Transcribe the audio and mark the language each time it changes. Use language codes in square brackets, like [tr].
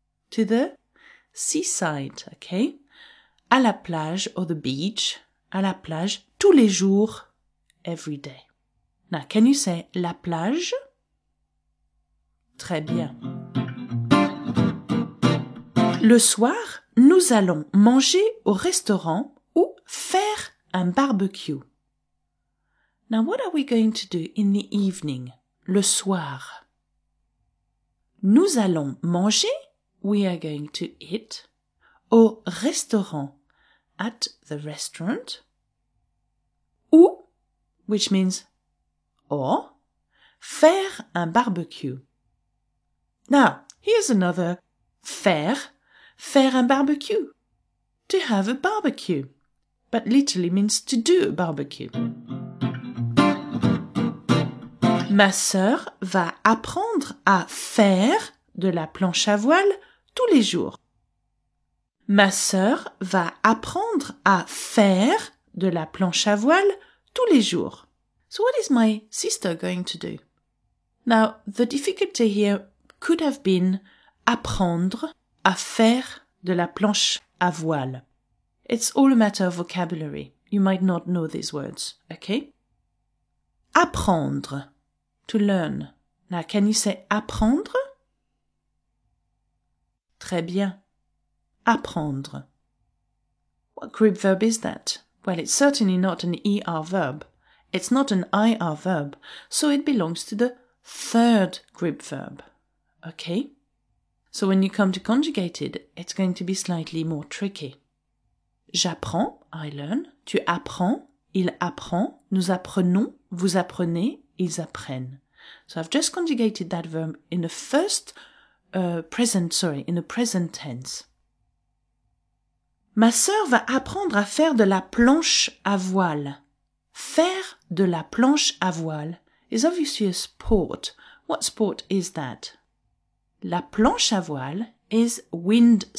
[en] To the seaside, okay? [fr] À la plage, [en] or the beach, [fr] à la plage, tous les jours, [en] every day. Now, can you say [fr] la plage? Très bien. Le soir, nous allons manger au restaurant ou faire un barbecue. [en] Now, what are we going to do in the evening, [fr] le soir? Nous allons manger, [en] we are going to eat, [fr] au restaurant. [en] At the restaurant, ou, which means, or, [fr] faire un barbecue. [en] Now, here's another [fr] faire un barbecue. [en] To have a barbecue, but literally means to do a barbecue. [fr] Ma sœur va apprendre à faire de la planche à voile tous les jours. Ma sœur va apprendre à faire de la planche à voile tous les jours. [en] So what is my sister going to do? Now, the difficulty here could have been [fr] apprendre à faire de la planche à voile. [en] It's all a matter of vocabulary. You might not know these words, okay? Apprendre, to learn. Now, can you say apprendre? [fr] Très bien. [en] Apprendre. What group verb is that? Well, it's certainly not an ER verb. It's not an IR verb, so it belongs to the third group verb. Okay? So when you come to conjugated, it's going to be slightly more tricky. [fr] J'apprends, [en] I learn. [fr] Tu apprends, il apprend. Nous apprenons, vous apprenez, ils apprennent. [en] So I've just conjugated that verb in the first present tense. [fr] Ma sœur va apprendre à faire de la planche à voile. Faire de la planche à voile [en] is obviously a sport. What sport is that? [fr] La planche à voile [en] is wind